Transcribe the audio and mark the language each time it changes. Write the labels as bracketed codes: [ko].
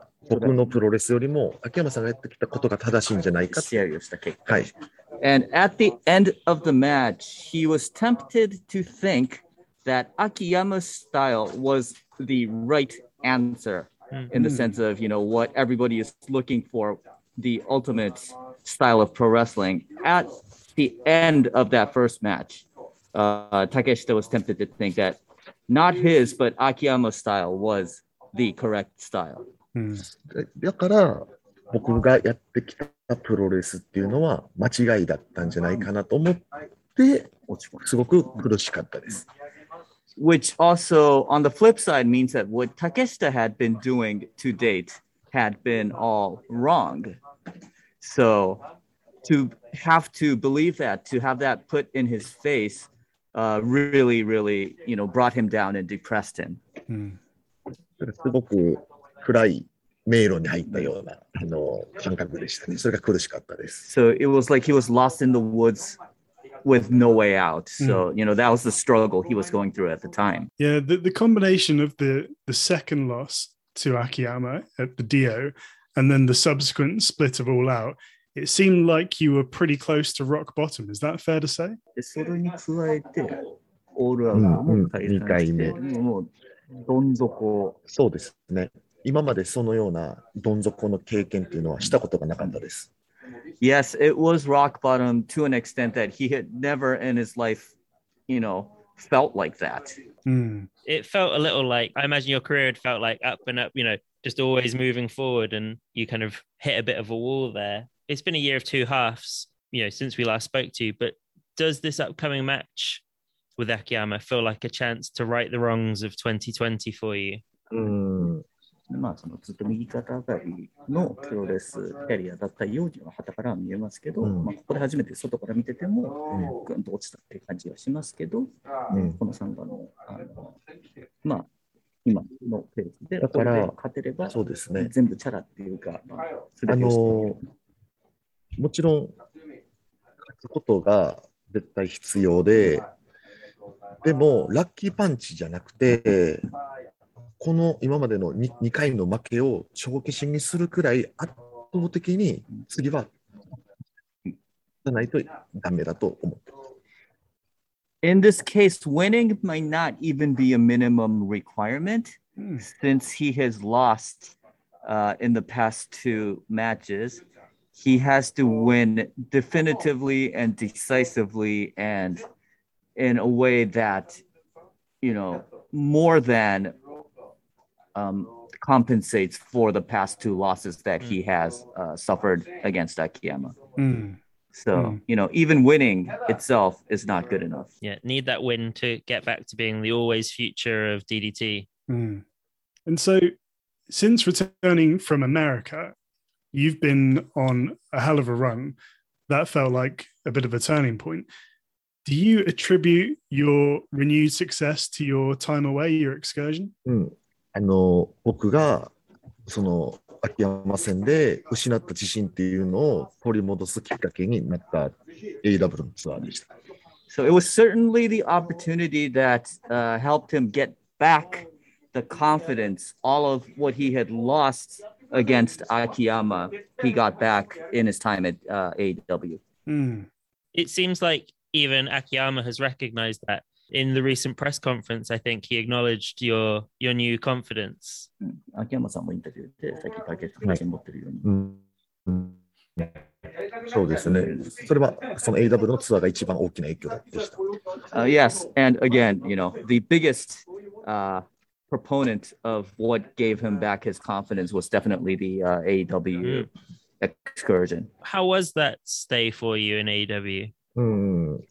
[ja] 僕のプロレスよりも秋山さんがやってきたことが正しいんじゃないかと。はい。 [en] And at the end of the match, he was tempted to think that Akiyama's style was the right answer in the sense of, you know, what everybody is looking for, the ultimate style of pro wrestling. At the end of that first match,Takeshita was tempted to think that not his, but Akiyama's style was the correct style. [ja] だから僕がやってきたプロレスっていうのは間違いだったんじゃないかなと思ってすごく苦しかったです。 [en] Which also, on the flip side, means that what Takeshita had been doing to date had been all wrong. So to have to believe that, to have that put in his face,really, really, you know, brought him down and depressed him. [ja] すごく暗い迷路に入ったようなあの感覚でしたね。それが苦しかったです。 [en] So it was like he was lost in the woods with no way out. So, you know, that was the struggle he was going through at the time. Yeah, the combination of the second loss to Akiyama at the Dio and then the subsequent split of All Out, it seemed like you were pretty close to rock bottom. Is that fair to say? [ja] それに加えて、オールアウトも大変して、2回目。もうどん底。そうですね。今までそのようなどん底の経験というのはしたことがなかったです。 [en] Yes, it was rock bottom to an extent that he had never in his life, you know, felt like that. It felt a little like, I imagine your career had felt like up and up, you know, just always moving forward and you kind of hit a bit of a wall there. It's been a year of two halves, you know, since we last spoke to you, but does this upcoming match with Akiyama feel like a chance to right the wrongs of 2020 for you? [ja] まあ、そのずっと右肩上がりのプロレスキャリアだったようには旗からは見えますけど、まあ、ここで初めて外から見ててもぐんと落ちたって感じはしますけど、このサンバ の、まあ、今のペースで勝てればそうです、ね、全部チャラっていうか、まあ、もちろん勝つことが絶対必要で、でもラッキーパンチじゃなくてこの今までの 2回の負けを帳消しにするくらい圧倒的に次は勝たないとダメだと思って。 [en] In this case, winning might not even be a minimum requirement since he has lost in the past two matches. He has to win definitively and decisively and in a way that, you know, more thancompensates for the past two losses that he has suffered against Akiyama. You know, even winning itself is not good enough. Yeah, need that win to get back to being the always future of DDT. And so, since returning from America, you've been on a hell of a run. That felt like a bit of a turning point. Do you attribute your renewed success to your time away, your excursion? [ja] あの僕がその秋山戦で失った自信っていうのを取り戻すきっかけになった AW のツアーでした。 [en] So it was certainly the opportunity that helped him get back the confidence, all of what he had lost against Akiyama, he got back in his time at AW. It seems like even Akiyama has recognized that. In the recent press conference, I think he acknowledged your new confidence. [ja] Akiyama-san もインタビューで、さっきパケット自信持ってるように。そうですね。それはその AW のツアーが一番大きな影響でした。 [en] Yes, and again, you know, the biggest proponent of what gave him back his confidence was definitely the AW excursion. How was that stay for you in AW?